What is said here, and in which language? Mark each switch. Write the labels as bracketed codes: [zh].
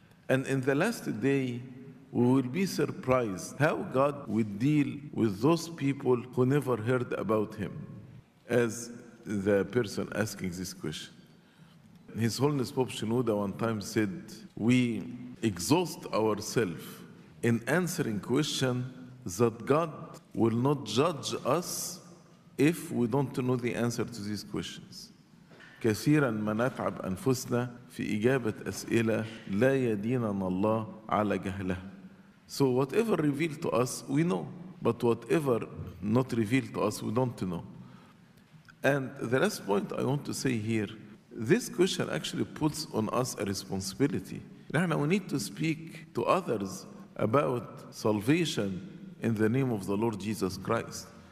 [en] And in the last day, we will be surprised how God would deal with those people who never heard about Him, as the person asking this question. His Holiness Pope Shenouda one time said, we exhaust ourselves in answering question that God will not judge us if we don't know the answer to these questions. [ar] كثيراً ما نتعب أنفسنا في إجابة أسئلة لا يديننا الله على جهله. [en] So whatever revealed to us, we know. But whatever not revealed to us, we don't know. And the last point I want to say here, this question actually puts on us a responsibility. نحن, we need to speak to others about salvation in the name of the Lord Jesus Christ.